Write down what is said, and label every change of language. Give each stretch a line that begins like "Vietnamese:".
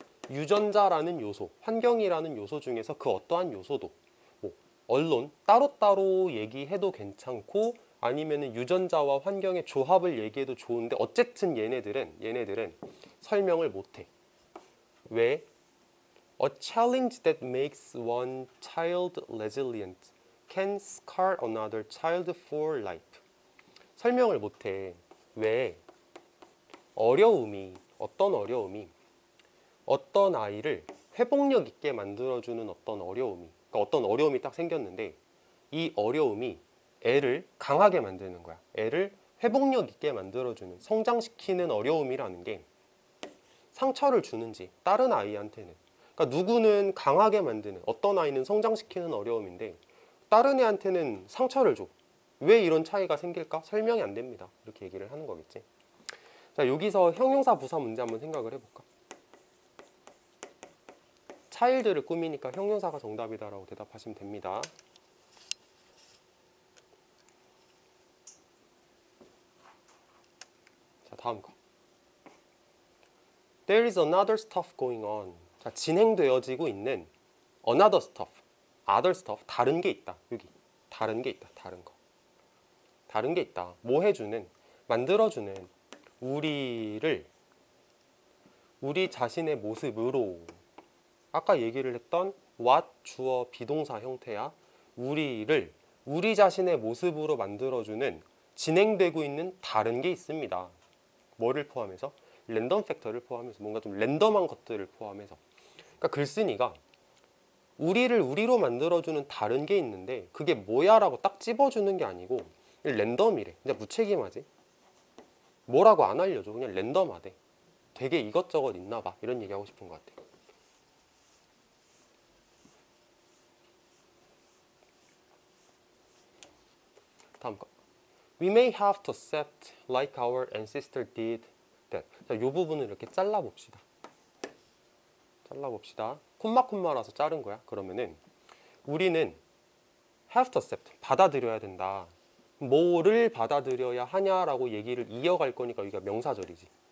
Korean: 유전자라는 요소, 환경이라는 요소 중에서 그 어떠한 요소도, 뭐, 언론, 따로따로 얘기해도 괜찮고, 아니면은 유전자와 환경의 조합을 얘기해도 좋은데, 어쨌든 얘네들은 설명을 못해. 왜?
English: A challenge that makes one child resilient can scar another child for life.
Korean: 설명을 못해. 왜? 어려움이, 어떤 어려움이? 어떤 아이를 회복력 있게 만들어주는 어떤 어려움이, 그러니까 어떤 어려움이 딱 생겼는데, 이 어려움이 애를 강하게 만드는 거야. 애를 회복력 있게 만들어주는, 성장시키는 어려움이라는 게 상처를 주는지, 다른 아이한테는. 그러니까 누구는 강하게 만드는, 어떤 아이는 성장시키는 어려움인데, 다른 애한테는 상처를 줘. 왜 이런 차이가 생길까? 설명이 안 됩니다. 이렇게 얘기를 하는 거겠지. 자, 여기서 형용사 부사 문제 한번 생각을 해볼까? 차일드를 꾸미니까 형용사가 정답이다라고 대답하시면 됩니다. 자, 다음 거.
English: There is another stuff going on.
Korean: 자, 진행되어지고 있는
English: another stuff, other stuff,
Korean: 다른 게 있다. 여기 다른 게 있다. 다른 거. 다른 게 있다. 뭐 해주는, 만들어주는 우리를 우리 자신의 모습으로. 아까 얘기를 했던 what 주어 비동사 형태야. 우리를 우리 자신의 모습으로 만들어주는 진행되고 있는 다른 게 있습니다. 뭐를 포함해서? 랜덤 팩터를 포함해서 뭔가 좀 랜덤한 것들을 포함해서. 그러니까 글쓴이가 우리를 우리로 만들어주는 다른 게 있는데 그게 뭐야라고 딱 집어주는 게 아니고 랜덤이래. 그냥 무책임하지. 뭐라고 안 알려줘. 그냥 랜덤하대. 되게 이것저것 있나 봐. 이런 얘기하고 싶은 것 같아. 다음 거.
English: We may have to accept like our ancestor did that.
Korean: 자, 이 부분을 이렇게 잘라 봅시다. 잘라 봅시다. 콤마콤마라서 자른 거야. 그러면은 우리는
English: have to accept,
Korean: 받아들여야 된다. 뭐를 받아들여야 하냐라고 얘기를 이어갈 거니까 여기가 명사절이지.